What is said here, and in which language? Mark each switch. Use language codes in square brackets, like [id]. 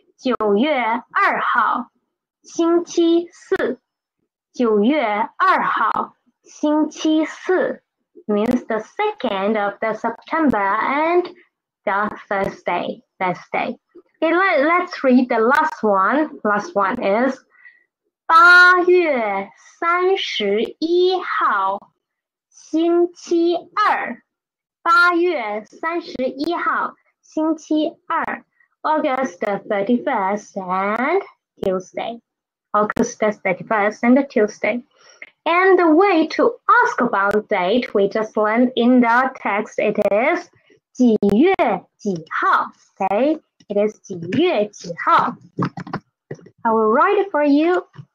[zh] 9月2号.星期四, 9月2号星期四, [en] means the 2nd of the September and the Thursday. Okay, let's read the last one. Last one is [zh] 8月31号星期二, 8月31号星期二, [en] August the 31st and Tuesday. August 31st and Tuesday. And the way to ask about date we just learned in the text, it is [zh] 几月几号, [en] okay? It is [zh] 几月几号. [en] I will write it for you.